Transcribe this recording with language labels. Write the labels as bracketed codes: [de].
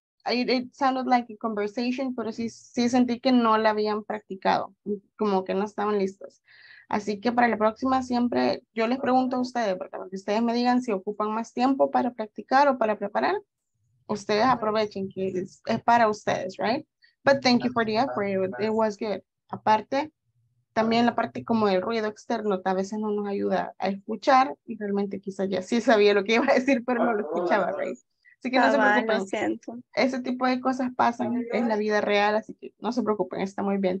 [en] It sounded like a conversation, [es] pero sí sentí que no la habían practicado, como que no estaban listos. Así que para la próxima siempre yo les pregunto a ustedes, porque lo que ustedes me digan si ocupan más tiempo para practicar o para preparar, ustedes aprovechen que es para ustedes, right? [en] But thank you for the effort, it was good. [es] Aparte, también la parte como del ruido externo, a veces no nos ayuda a escuchar y realmente quizás ya sí sabía lo que iba a decir, pero no lo escuchaba, right? Así que no se preocupen. Lo siento. Ese tipo de cosas pasan en la vida real, así que no se preocupen, está muy bien.